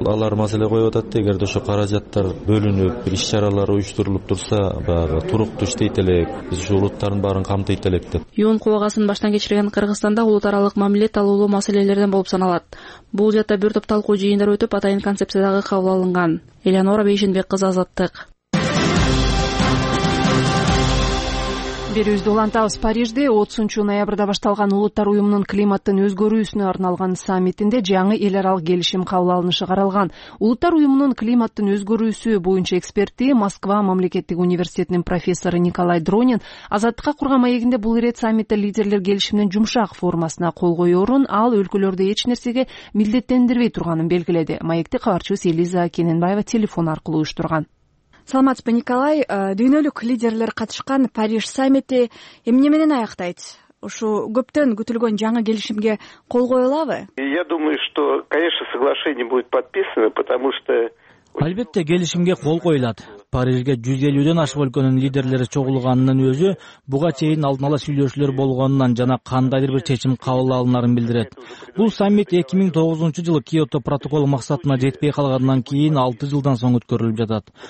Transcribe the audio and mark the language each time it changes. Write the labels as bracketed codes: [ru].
[ky] Алар маселе коюп атат да, эгерде ошо каражаттар бөлүнүп, иш чаралар уюштурулуп турса, баягы туруктуу иштейт элек, биз ушул улуттардын баарын камтыйт элек деп. Юун кубагасын баштан кечирген Кыргызстанда улут аралык мамиле талуулуу маселелерден болуп саналат. Бул жатта бир топ талкуу жыйындар өтүп, атайын концепция дагы кабыл алынган. Элеонора Бейшенбек кызы Азаттык. Берүүбүздү улантабыз. Парижде 30 ноябрда башталган Улуттар уюмунун климаттын өзгөрүүсүнө арналган саммитинде жаңы эл аралык келишим кабыл алынышы каралган. Улуттар уюмунун климаттын өзгөрүүсү боюнча эксперти Москва мамлекеттик университетинин профессору Николай Дронин Азаттыкка курган маегинде бул ирет саммитте лидерлер келишимдин жумшак формасына кол коюурун ал өлкөлөрдү эч нерсеге милдеттендирбей турганын белгиледи. Маекти кабарчыбыз Элиза Кененбаева телефон аркылуу уюштурган. Саламатсызбы, Николай. Дүйнөлүк лидерлер катышкан Париж саммити эмне менен аяктайт? Ушу көптөн күтүлгөн жаңы келишимге кол коюлабы? [ru] Я думаю, что, конечно, соглашение будет подписано, потому что [ky] Албетте, келишимге кол коюлат. Парижге 150-ден ашык өлкөнүн лидерлери чогулганынын өзү буга чейин алдын ала сүйлөшүүлөр болгонунан жана кандайдыр бир чечим кабыл алынарын билдирет. Бул саммит 2009 жылы Киото протоколу максатына жетпей калгандан кийин 6 жылдан соң өткөрүлүп жатат.